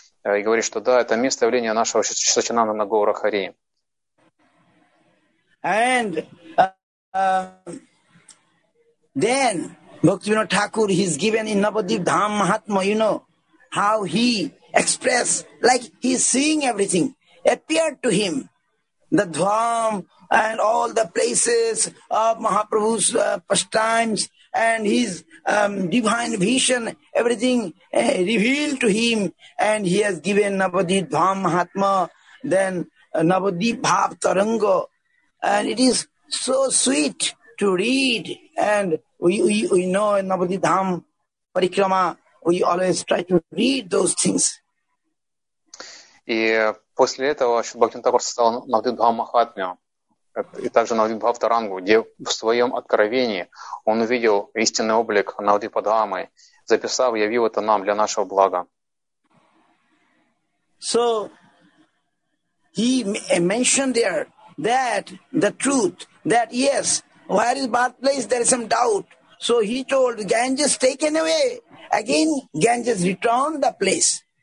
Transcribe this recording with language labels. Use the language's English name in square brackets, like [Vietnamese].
[Russian] И говорит, что да, это место явления нашего Сачинанды на Гоура Хари. [English] And then Bhaktivinoda Thakur, he's given in Navadvip Dham Mahatma, you know, how he expressed, like he's seeing everything, appeared to him, the Dham and all the places of Mahaprabhu's pastimes, and his divine vision, everything revealed to him, and he has given Navadvip Dham Mahatma, then Navadvip Bhav Taranga, and it is so sweet to read, and we know Navadvip Dham Parikrama, we always try to read those things. [Russian] И после этого Бхактивинода Тхакур стал Навадвип Дхам Махатмья. И также Навадвипа Бхавтарангу, где в своем откровении он увидел истинный облик Навадвипа Дхамы, записав, явил это нам для нашего блага. [English] So he mentioned there that the truth, that yes, where is birthplace, there is some doubt. So he told Ganges taken away. Again, Ganges returned the place.